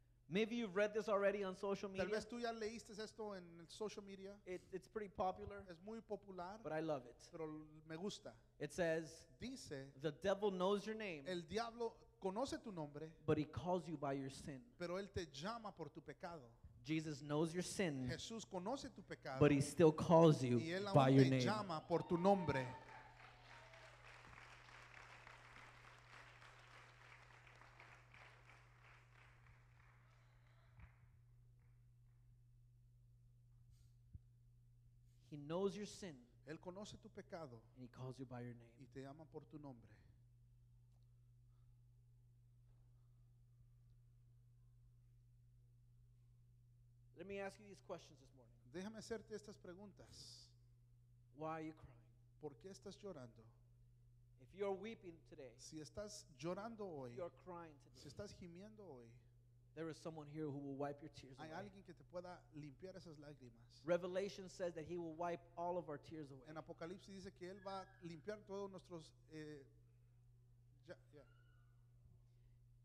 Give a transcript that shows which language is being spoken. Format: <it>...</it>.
<en>Maybe you've read this already on social media.</en> <es>Tal vez tú ya leíste esto en</es> <en>social media. It's pretty popular.</en> <es>Es muy popular.</es> <en>But I love it.</en> <es>Pero me gusta.</es> <en>It says,</en> <es>dice,</es> <en>the devil knows your name.</en> <es>El diablo conoce tu nombre.</es> <en>But he calls you by your sin.</en> <es>Pero él te llama por tu pecado.</es> <en>Jesus knows your sin.</en> <es>Jesús conoce tu pecado.</es> <en>But he still calls you by your name.</en> <es>Y él aún te llama por tu nombre.</es> <en>He knows your sin.</en> <es>Él conoce tu pecado.</es> <en>And he calls you by your name.</en> <es>Y te llama por tu nombre.</es> <en>Let me ask you these questions this morning.</en> <es>Déjame hacerte estas preguntas.</es> <en>Why are you crying?</en> <es>¿Por qué estás llorando?</es> <en>If you are weeping today.</en> <es>Si estás llorando hoy.</es> <en>If you are crying today.</en> <es>Si estás gimiendo hoy.</es> <en>There is someone here who will wipe your tears</en> <es>hay</es> <en>away.</en> <es>Hay alguien que te pueda limpiar esas lágrimas.</es> <en>Revelation says that he will wipe all of our tears away.</en> <es>En Apocalipsis dice que él va a limpiar todos nuestros yeah.</es>